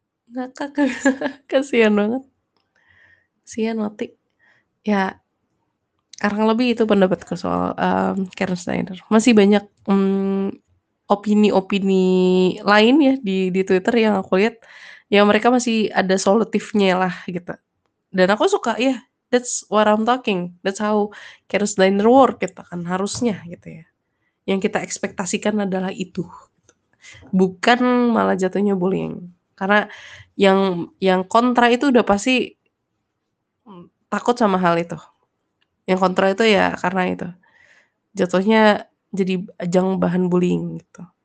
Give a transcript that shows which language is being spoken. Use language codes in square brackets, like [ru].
[id] Ngakak, kasihan banget. Sian mati. Ya, kurang lebih itu pendapatku soal Karen Snyder. Masih banyak opini-opini lain ya di Twitter yang aku lihat, yang mereka masih ada solutifnya lah gitu. Dan aku suka, ya, [en] yeah, that's what I'm talking. That's how Karen Snyder work [id] gitu kan, harusnya gitu ya. Yang kita ekspektasikan adalah itu. Bukan malah jatuhnya bullying. Karena yang kontra itu udah pasti takut sama hal itu. Yang kontra itu ya karena itu. Jatuhnya jadi ajang bahan bullying gitu.